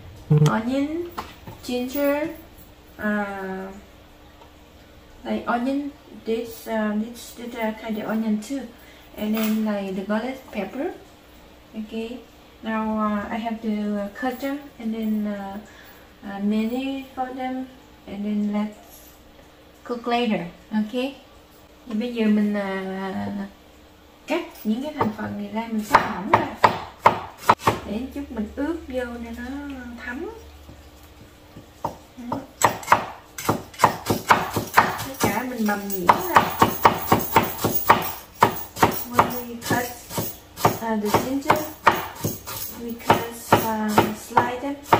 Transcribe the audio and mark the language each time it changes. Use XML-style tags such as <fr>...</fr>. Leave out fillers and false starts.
<en>We have is onion, ginger, like onion, this kind of onion too, and then like the garlic pepper. Okay, now I have to cut them and then mince for them and then let's cook later.</en> <vi>Okay, thì bây giờ mình cắt những cái thành phần này ra, mình xắt mỏng ra để chút mình ướp vô cho nó thấm. Tất cả mình mầm nhuyễn ra.</vi> <en>When we cut the ginger, we can slide them.</en>